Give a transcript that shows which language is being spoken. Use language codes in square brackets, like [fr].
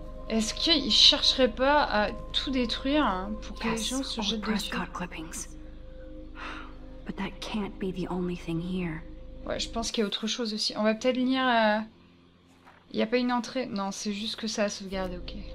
[fr] Est-ce qu'ils chercheraient pas à tout détruire pour que les gens se jettent dessus? [en] Prescott clippings. But that can't be the only thing here. [fr] Ouais, je pense qu'il y a autre chose aussi. On va peut-être lire. Il y a pas une entrée. Non, c'est juste que ça a sauvegardé, ok.